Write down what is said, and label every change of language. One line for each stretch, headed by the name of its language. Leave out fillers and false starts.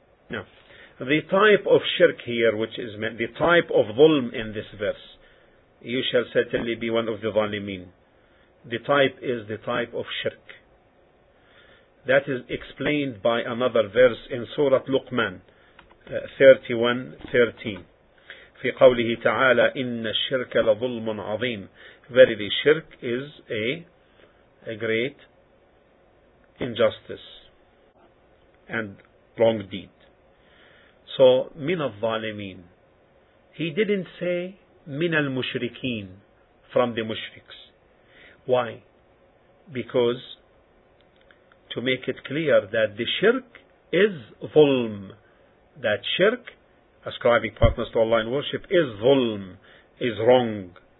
English: Now, the type of shirk here, which is meant, the type of dhulm in this verse, you shall certainly be one of the zalimeen. The type is the type of shirk. That is explained by another verse in Surah Luqman, 31:13.
Arabic: في قوله تعالى إن الشرك لظلم عظيم.
English: Verily shirk is a great injustice and wrong deed. So
Arabic: من الظالمين.
English: He didn't say
Arabic: من المشركين,
English: from the mushriks. Why? Because to make it clear that the shirk is
Arabic: ظلم.
English: That shirk, ascribing partners to Allah in worship, is zulm, is wrong.